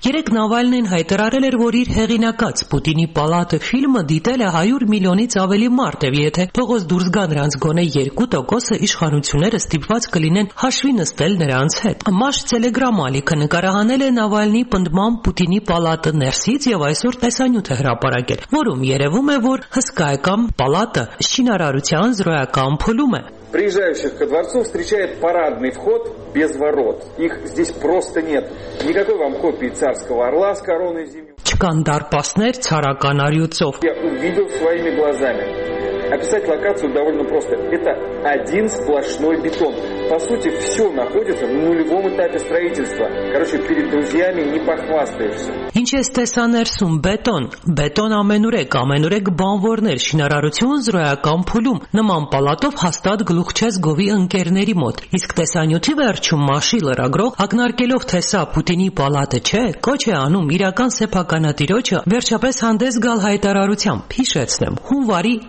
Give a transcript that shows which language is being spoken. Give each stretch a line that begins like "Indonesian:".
Armenian: Երեկ Նավալնին հայտարարել էր, որ իր հեղինակած Պուտինի պալատը ֆիլմը դիտել է 100 միլիոնից ավելի մարդ, և եթե փողոց դուրս գան նրանց գոնե 2%-ը, իշխանությունները ստիպված կլինեն հաշվի նստել նրանց հետ։ Մաշ Telegram ալիքը նկարահանել է Նավալնի պնդմամբ Պուտինի պալատը ներսից, և այսօր տեսանյութ է հրապարակել, որում երևում է, որ հսկայական պալատը շինարարության զրոյական փուլում է։
Russian: Приезжающих ко дворцу встречает парадный вход без ворот. Их здесь просто нет. Никакой вам копии царского орла с короной зимней.
Armenian: Чкан дарпаснер царакан арюцов.
Russian: Я увидел своими глазами. Описать локацию довольно просто. Это один сплошной бетон. По сути, все находится на нулевом этапе строительства. Короче, перед друзьями не похвастаешься.
Armenian: Ինչես տեսաներսում բետոն, բետոն ամենուրեք, ամենուրեք բանվորներ, շինարարություն զրոյական փուլում, նման պալատով հաստատ գլուխ չես գովի ընկերների մոտ։ Իսկ տեսանյութի վերջում Մաշի լրագրող, ակնարկելով, թե սա Պուտինի պալատը չէ, կոչ է անում իրական սեփականատիրոջը վերջապես հանդես գալ հայտարարությամբ։ Հիշեցնեմ, հունվարի